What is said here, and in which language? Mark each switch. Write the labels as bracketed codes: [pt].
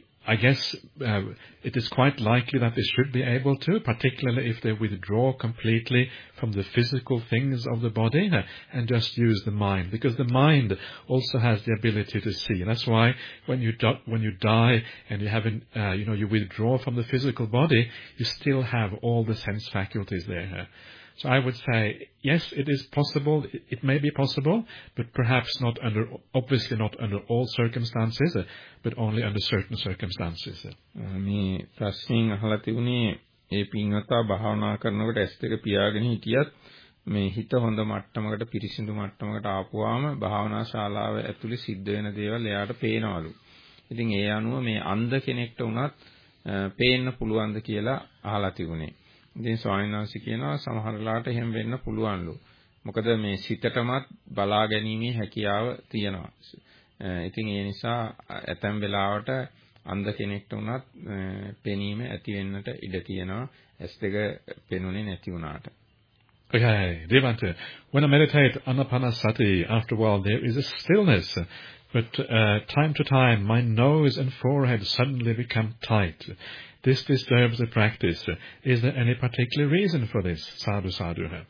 [en] I guess it is quite likely that they should be able to, particularly if they withdraw completely from the physical things of the body and just use the mind, because the mind also has the ability to see. And that's why when you die and you haven't, you withdraw from the physical body, you still have all the sense faculties there. So I would say, yes, it is possible, it may be possible, but perhaps not under, obviously not under all circumstances, but only under certain circumstances. [si] මේ ප්‍රශ්නින් අහලා තිබුණේ ඒ පින්වතා භාවනා කරනකොට ඇස් දෙක පියාගෙන හිටියත් මේ හිත හොඳ මට්ටමකට පිරිසිදු මට්ටමකට ආපුවාම භාවනා ශාලාව ඇතුලේ සිද්ධ වෙන දේවල් එයාට පේනවලු. ඉතින් ඒ අනුව මේ අන්ධ කෙනෙක්ට උනත් පේන්න පුළුවන්ද කියලා අහලා තිබුණේ. ඉතින් ස්වාමීන් වහන්සේ කියනවා සමහරලාට එහෙම වෙන්න පුළුවන්ලු. මොකද මේ සිතටමත් බලා ගැනීමේ හැකියාව තියෙනවා. ඉතින් ඒ නිසා ඇතැම් වෙලාවට අන්ධ කෙනෙක්ට උනත් පෙනීම ඇති වෙන්නට ඉඩ තියෙනවා. ඇස් දෙක පෙනුනේ නැති වුණාට. [en] Okay, Devante, when I meditate Anapanasati, after a while there is a stillness, but time to time my nose and forehead suddenly become tight. This disturbs the practice. Is there any particular reason for this? Sadhu, sadhu.